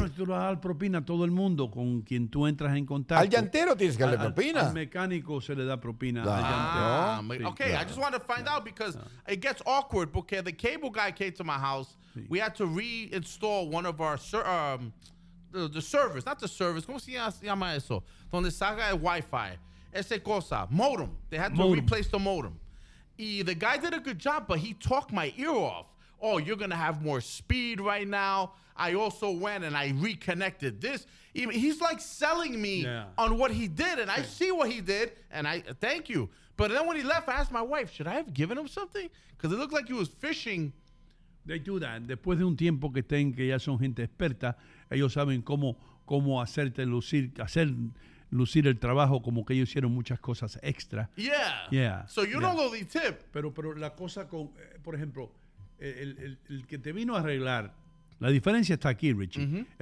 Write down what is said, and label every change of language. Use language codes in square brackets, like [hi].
[es] tú le das propina a todo el mundo con quien tú entras en contacto. Al llantero tienes que darle propina. Al mecánico se le da propina. Al llantero. [en] Okay, I just want to find out because it gets awkward because the cable guy came to my house. [es] Sí. [en] We had to reinstall one of our the service, not the service. [es] ¿Cómo se llama eso? Donde salga el Wi-Fi. Ese cosa. [en] Modem. They had to replace the modem. Y the guy did a good job, but he talked my ear off. oh, you're going to have more speed right now. I also went and I reconnected this. He's like selling me on what he did. And I see what he did. And I thank you. But then when he left, I asked my wife, should I have given him something? Because it looked like he was fishing. They do that. [es] Después de un tiempo que estén, que ya son gente experta, ellos saben cómo hacerte lucir, hacer lucir el trabajo como que ellos hicieron muchas cosas extra. [en] Yeah. Yeah. So you don't know the tip. [es] Pero la cosa con, por ejemplo, el que te vino a arreglar, la diferencia está aquí, Richie. Mm-hmm.